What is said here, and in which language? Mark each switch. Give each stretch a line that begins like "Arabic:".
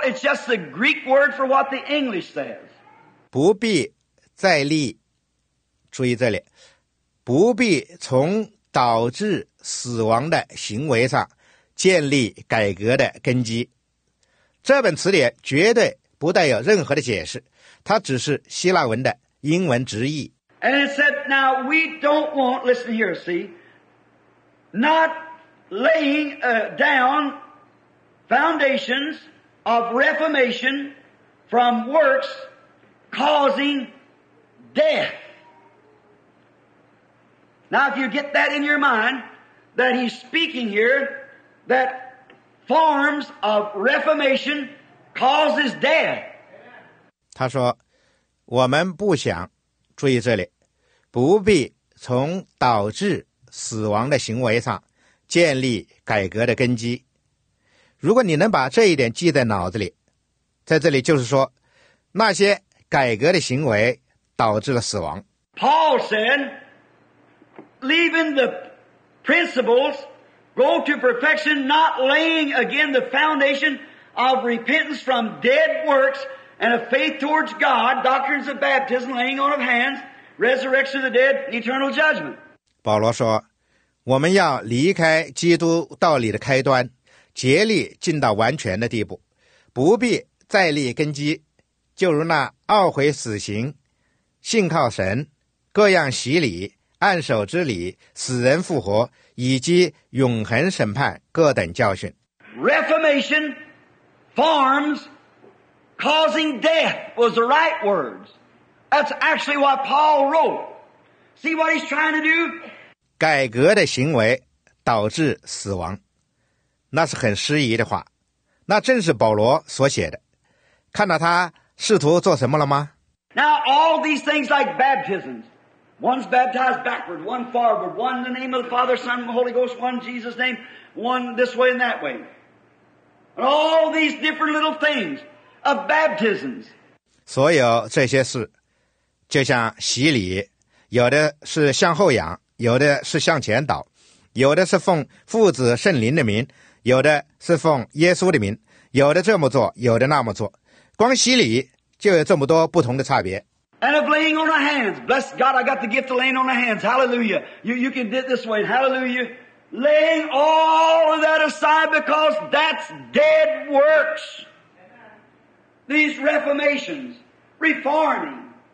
English: It's just the Greek word for what the English says.
Chinese: 不必再立，注意这里，不必从导致死亡的行为上建立改革的根基。这本词典绝对不带有任何的解释，它只是希腊文的英文直译。
English: And it said, now we don't want, listen here, see, not laying down foundations of reformation from works causing death. Now if you get that in your mind, that he's speaking here, that forms of reformation causes death.
Chinese: 他说，我们不想，注意这里，不必从导致死亡的行为上建立改革的根基。如果你能把这一点记在脑子里，在这里就是说，那些改革的行为导致了死亡。
English: Paul said, leaving the principles, go to perfection, not laying again the foundation of repentance from dead works and of faith towards God, doctrines of baptism, laying on of hands, resurrection of the dead, eternal judgment.
Chinese: 保罗说，我们要离开基督道理的开端，竭力进到完全的地步，不必再立根基，就如那懊悔死刑、信靠神、各样洗礼、按手之礼、死人复活以及永恒审判各等教训。
English: Reformation forms causing death was the right words. That's actually what Paul wrote. See what he's trying to do?
Chinese: 改革的行为导致死亡，那是很失宜的话，那正是保罗所写的。看到他试图做什么了吗？
English: Now all these things like baptisms, one's baptized backward, one forward, one in the name of the Father, Son, and Holy Ghost, one Jesus' name, one this way and that way. And all these different little things of baptisms.
Chinese: 所有这些事，就像洗礼，有的是向后仰，有的是向前倒，有的是奉父子圣灵的名，有的是奉耶稣的名，有的这么做，有的那么做。光洗礼就有这么多不同的差别。
English: And of laying on the hands, bless God, I got the gift of laying on the hands, hallelujah. You can do it this way, hallelujah. Laying all of that aside because that's dead works. These reformations, reforming.